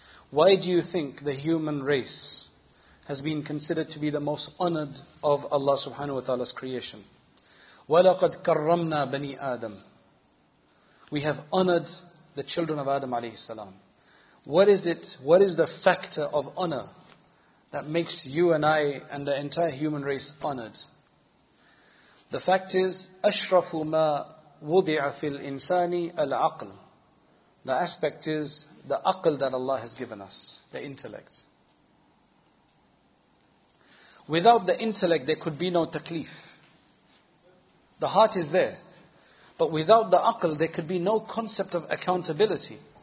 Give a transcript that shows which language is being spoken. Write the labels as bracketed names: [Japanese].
[English] Why do you think the human race has been considered to be the most honored of Allah subhanahu wa ta'ala's creation? [Arabic] وَلَقَدْ كَرَّمْنَا بَنِي آدَمَ. [English] We have honored the children of Adam alayhi salam. What is it, what is the factor of honor that makes you and I and the entire human race honored? The fact is, [Arabic] أَشْرَفُ مَا وُضِعَ فِي الْإِنسَانِ الْعَقْلِ. [English] The aspect is the aql that Allah has given us, the intellect. Without the intellect, there could be no taklif. The heart is there. But without the aql, there could be no concept of accountability.